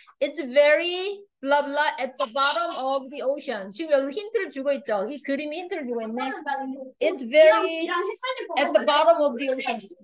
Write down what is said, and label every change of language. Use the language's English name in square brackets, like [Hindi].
[English] It's very blah blah at the bottom of the ocean. [Korean] 지금 여기 힌트를 주고 있죠. 이 그림이 힌트를 주고 있네. [English] It's very at the bottom of the ocean.